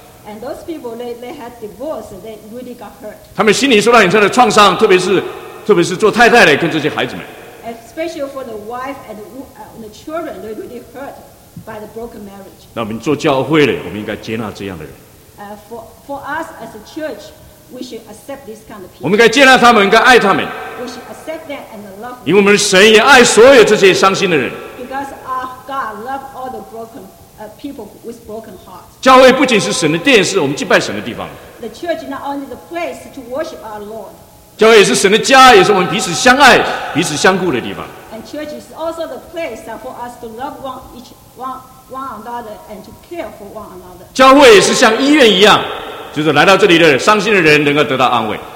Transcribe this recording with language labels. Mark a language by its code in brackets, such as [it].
[en] And those people, they had divorce, they really got hurt. [zh] 他们心里受到很深的创伤，特别是做太太的跟这些孩子们。 [en] Especially for the wife and the children, they really hurt by the broken marriage. [zh] 那我们做教会的，我们应该接纳这样的人。 [en] For us as a church. We should accept this kind of people. [zh] 我们该接纳他们，应该爱他们。 [en] We should accept them and love them. [zh] 因为我们的神也爱所有这些伤心的人。 [en] Because our God loves all the broken people with broken hearts. [zh] 教会不仅是神的殿，是我们敬拜神的地方。 [en] The church is not only the place to worship our Lord. [zh] 教会也是神的家，也是我们彼此相爱、彼此相顾的地方。 [en] And church is also the place for us to love one another and to care for one another. [zh] 教会也是像医院一样。就是来到这里的伤心的人能够得到安慰。